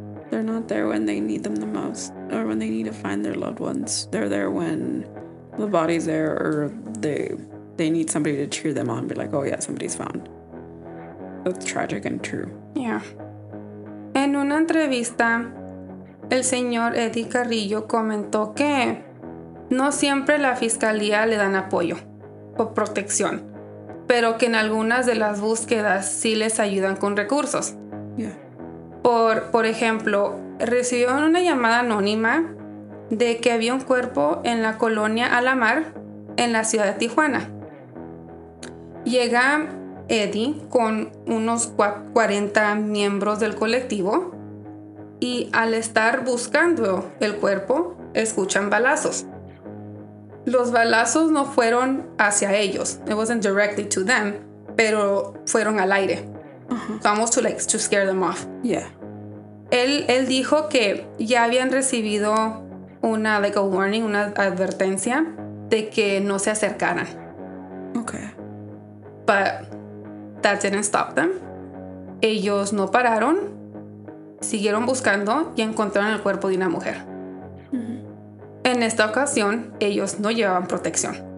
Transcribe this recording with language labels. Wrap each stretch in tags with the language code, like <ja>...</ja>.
<en>They're not there when they need them the most, or when they need to find their loved ones. They're there when the body's there, or they need somebody to cheer them on and be like, oh yeah, somebody's found. That's tragic and true. Yeah.</en> <es>En una entrevista, el señor Eddie Carrillo comentó que no siempre la fiscalía le dan apoyo o protección, pero que en algunas de las búsquedas sí les ayudan con recursos.</es> <en>Yeah.</en> <es>Por ejemplo, recibieron una llamada anónima de que había un cuerpo en la colonia Alamo en la ciudad de Tijuana. Llega Eddie con unos 40 miembros del colectivo. Y al estar buscando el cuerpo, escuchan balazos. Los balazos no fueron hacia ellos.</es> <en>It wasn't directly to them,</en> <es>pero fueron al aire.</es> <en>Almost to scare them off. Yeah.</en> <es>Él dijo que ya habían recibido una,</es> <en>like a warning,</en> <es>una advertencia de que no se acercaran.</es> <en>Okay. But that didn't stop them.</en> <es>Ellos no pararon. Siguieron buscando y encontraron el cuerpo de una mujer. En esta ocasión, ellos no llevaban protección.</es>